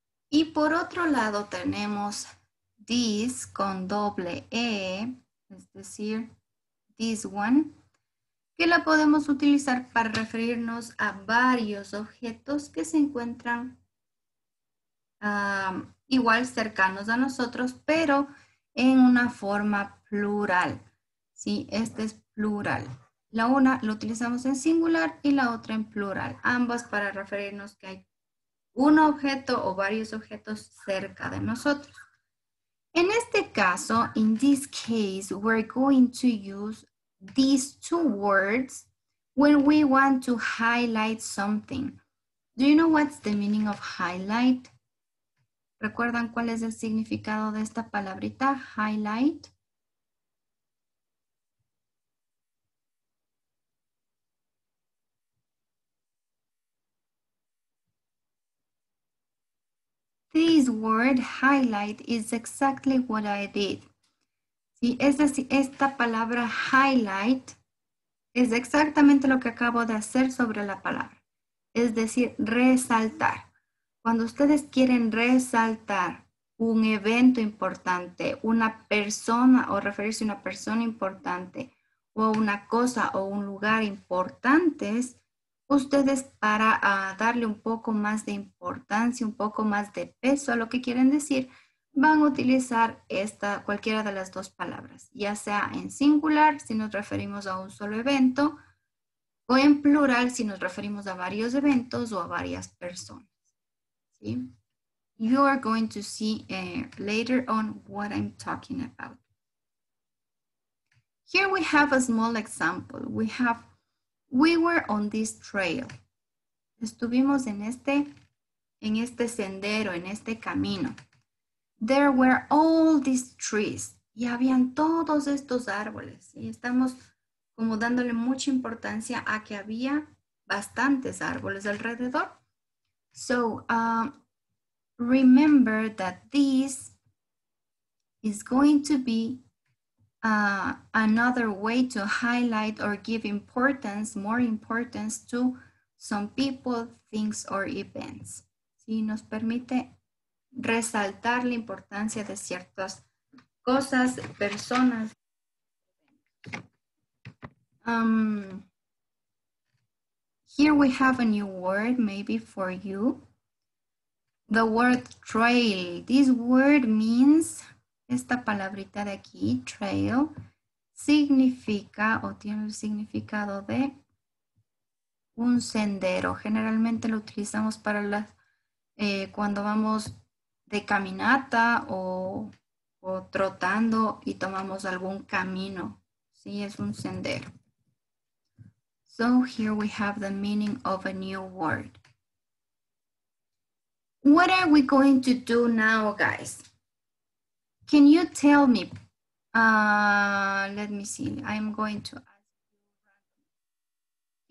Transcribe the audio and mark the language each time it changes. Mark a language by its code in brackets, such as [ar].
[es] Y por otro lado tenemos this con doble E, es decir, [en] this one, [es] que la podemos utilizar para referirnos a varios objetos que se encuentran igual cercanos a nosotros, pero en una forma plural. ¿Sí? Este es plural. La una lo utilizamos en singular y la otra en plural. Ambas para referirnos que hay un objeto o varios objetos cerca de nosotros. En este caso, [en] in this case, we're going to use these two words when we want to highlight something. Do you know what's the meaning of highlight? [es] ¿Recuerdan cuál es el significado de esta palabrita, highlight? [en] This word, highlight, is exactly what I did. [es] Sí, es decir, esta palabra highlight es exactamente lo que acabo de hacer sobre la palabra. Es decir, resaltar. Cuando ustedes quieren resaltar un evento importante, una persona o referirse a una persona importante o una cosa o un lugar importantes, ustedes para darle un poco más de importancia, un poco más de peso a lo que quieren decir, van a utilizar esta, cualquiera de las dos palabras, ya sea en singular si nos referimos a un solo evento o en plural si nos referimos a varios eventos o a varias personas. [en] You are going to see later on what I'm talking about. Here we have a small example. We were on this trail. [es] Estuvimos en este sendero, en este camino. [en] There were all these trees. [es] Y habían todos estos árboles. Y estamos como dándole mucha importancia a que había bastantes árboles alrededor. [en] So, remember that this is going to be another way to highlight or give importance, more importance to some people, things or events. [es] Sí, nos permite resaltar la importancia de ciertas cosas, personas. [en] Here we have a new word maybe for you. The word trail. This word means, [es] esta palabrita de aquí, trail, significa o tiene el significado de un sendero. Generalmente lo utilizamos para las cuando vamos de caminata o trotando y tomamos algún camino. Sí, es un sendero. [en] So here we have the meaning of a new word. What are we going to do now, guys? Can you tell me? Let me see. I'm going to ask you.